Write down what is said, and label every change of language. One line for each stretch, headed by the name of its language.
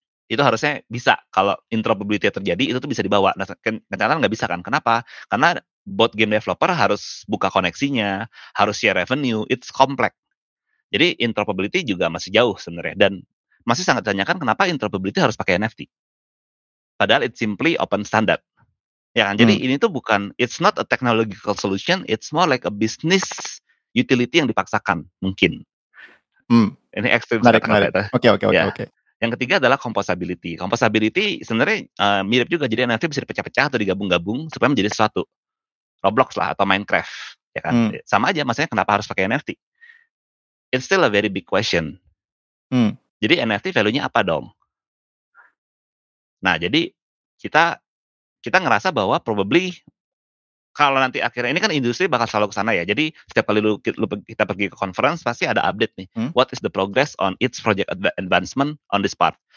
Indonesian: Itu harusnya bisa, kalau interoperability terjadi itu tuh bisa dibawa. Nah, kenyataan nggak bisa kan, kenapa? Karena buat game developer harus buka koneksinya, harus share revenue,
English: it's complex.
Indonesian: Jadi interoperability juga masih jauh sebenarnya, dan masih sangat ditanyakan kenapa interoperability harus pakai NFT. Padahal
English: it's simply open standard.
Indonesian: Ya kan? Jadi ini tuh bukan,
English: it's not a technological solution, it's more like a business utility
Indonesian: yang dipaksakan, mungkin. Ini ekstrim sekali. Oke. Yang ketiga adalah composability. Composability sebenarnya mirip juga, jadi NFT bisa dipecah-pecah atau digabung-gabung supaya menjadi sesuatu. Roblox lah atau Minecraft, ya kan? Sama aja, maksudnya kenapa harus pakai NFT?
English: It's still a very big question.
Indonesian: Jadi NFT value-nya apa dong? Nah, jadi kita ngerasa bahwa probably kalau nanti akhirnya ini kan industri bakal selalu ke sana ya. Jadi setiap kali lu kita pergi ke conference pasti ada update nih.
English: What is the progress on its project advancement on this part?